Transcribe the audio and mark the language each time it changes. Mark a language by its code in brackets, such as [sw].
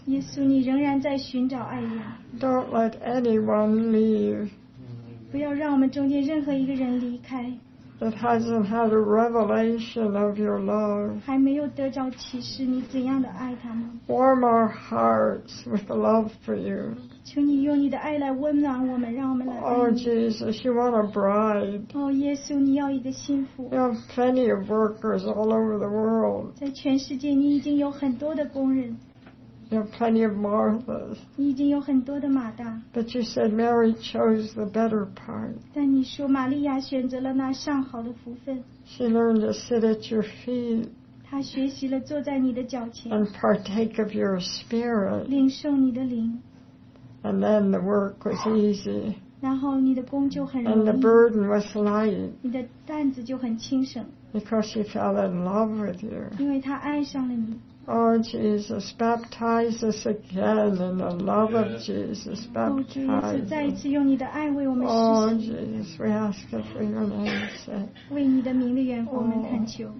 [zh] 耶稣, 你仍然在寻找爱人。 [en] Don't let anyone leave. [zh] 不要让我们中间任何一个人离开。 [en] That hasn't had a revelation of your love. [zh] 还没有得着启示, 你怎样的爱他们。 [en] Warm our hearts with love for you. [zh] 求你用你的爱来温暖我们, 让我们来爱你。 [en] Oh, Jesus, you want a bride. [zh] Oh, 耶稣, 你要一个心腹。 [en] You have plenty of workers all over the world. [zh] 在全世界, 你已经有很多的工人。 [en] You have plenty of Marthas. [zh] 你已经有很多的马达。 [en] But you said Mary chose the better part. [zh] 但你说玛利亚选择了那上好的福分。 [en] She learned to sit at your feet. [zh] 她学习了坐在你的脚前。 [en] And partake of your spirit. [zh] 领受你的灵。 [en] And then the work was easy. [zh] 然后你的工就很容易。 [en] And the burden was light. [zh] 你的担子就很轻省。 [en] Because she fell in love with you. [zh] 因为她爱上了你。 [en] Oh, Jesus, baptize us again in the love of Jesus. Baptize us. Oh, Jesus, we ask it for your name's sake. [zh] 为你的名的缘故我们恳求。